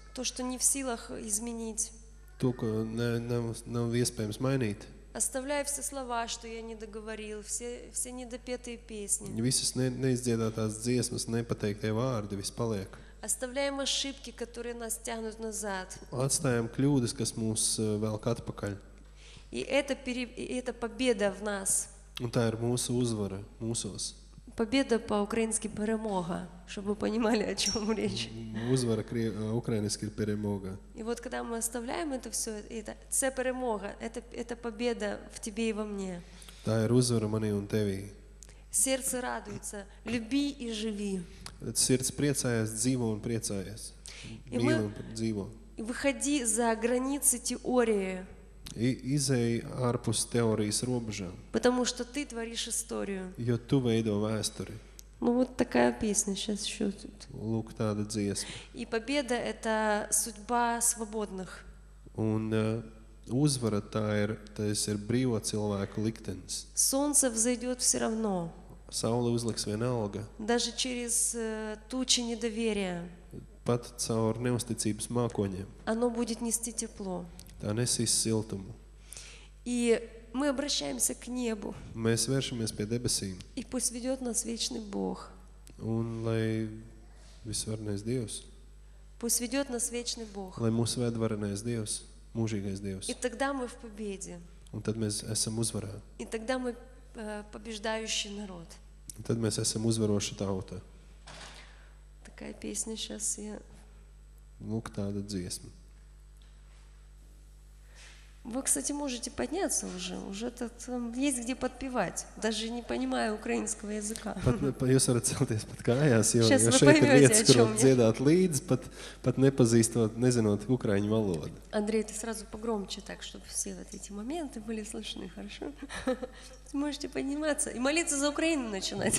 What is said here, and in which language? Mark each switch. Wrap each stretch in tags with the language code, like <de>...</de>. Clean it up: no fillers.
<ru>То, что не в силах изменить. То,</ru> <lv>ko nav iespējams mainīt.</lv> <ru>Оставляй все слова, что я не договорил, все недопетые песни.</ru> <lv>Visas neizdziedātās dziesmas, nepateiktie vārdi, viss paliek.</lv> <ru>Оставляем ошибки, которые нас тянут назад.</ru> <lv>Atstājam kļūdas, kas mūs velk atpakaļ.</lv> <ru>И это победа в нас.</ru> <lv>Un tā ir mūsu uzvara, mūsos.</lv> <ru>Победа по-украински перемога, чтобы понимали, о чем речь. Узвара украински перемога. И вот когда мы оставляем это все, это перемога, это победа в тебе и во мне.</ru> <lv>Да, ir uzvara manī un tevī.</lv> <ru>Сердце радуется, люби и живи. Сердце</ru> <lv>priecājas, dzīvo un priecājas. Mīli un dzīvo.</lv> <ru>Выходи за границы теории.</ru> <lv>Izeji ārpus teorijas robežām.</lv> <ru>Потому что ты творишь историю.</ru> <lv>Jo tu veido vēsturi.</lv> <ru>Ну вот такая песня сейчас ещё тут.</ru> <lv>Lūk tāda dziesma.</lv> <ru>И победа это судьба свободных.</ru> <lv>Un uzvara tā ir brīvo cilvēku liktenis.</lv> <ru>Солнце взойдёт всё равно.</ru> <lv>Saule uzliks vienalga.</lv> <ru>Даже через тучи недоверия.</ru> <lv>Pat caur neusticības mākoņiem.</lv> <ru>Оно будет нести тепло.</ru> <lv>Tā nesīs siltumu.</lv> <ru>И мы обращаемся к небу.</ru> <lv>Mēs vēršamies pie debesīm.</lv> <ru>И пусть ведёт нас вечный Бог.</ru> <lv>Un lai visvarenais Dievs.</lv> <ru>Пусть ведёт нас вечный Бог.</ru> <lv>Lai mūs ved varenais Dievs, mūžīgais Dievs.</lv> <ru>И тогда мы в победе.</ru> <lv>Un tad mēs esam uzvarā.</lv> <ru>И тогда мы побеждающий народ.</ru> <lv>Un tad mēs esam uzvaroša tauta.</lv> <ru>Такая песня сейчас я.</ru> <lv>Lūk tāda dziesma.</lv> <ru>Вы, кстати, можете подняться уже. Уже тут есть где подпевать. Даже не понимаю украинского языка.</ru> <lv>Jūs varat celties pat kājās, jo šeit ir vietas, kur dziedāt līdzi, pat nepazīstot, nezinot ukraiņu valodu.</lv> <ru>Андрей, ты сразу погромче так, чтобы все вот эти моменты были слышны, хорошо? Можете подниматься и молиться за Украину начинать.</ru>